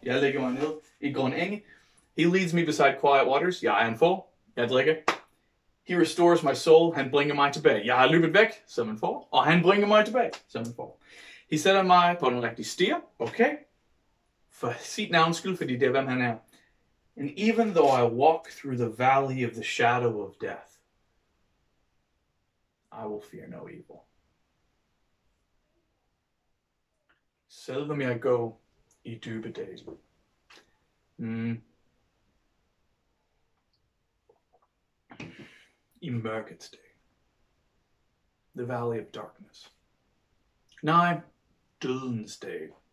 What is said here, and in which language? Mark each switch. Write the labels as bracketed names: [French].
[Danish] Jeg ligger mig ned i grøn enge. [English] He leads me beside quiet waters, [Danish] jeg er en får. Jeg drikker. [English] He restores my soul, [Danish] han bringer mig tilbage. Jeg har løbet væk, som en får, og han bringer mig tilbage, som en får. He sætter mig på den rigtige stier, okay? For sit navns skyld, fordi det er, hvem han er. [English] And even though I walk through the valley of the shadow of death, I will fear no evil. [Danish] Selvom jeg går i dybe dage. I mørkets dag. [English] The valley of darkness. [Danish] Nej. Dødens dag.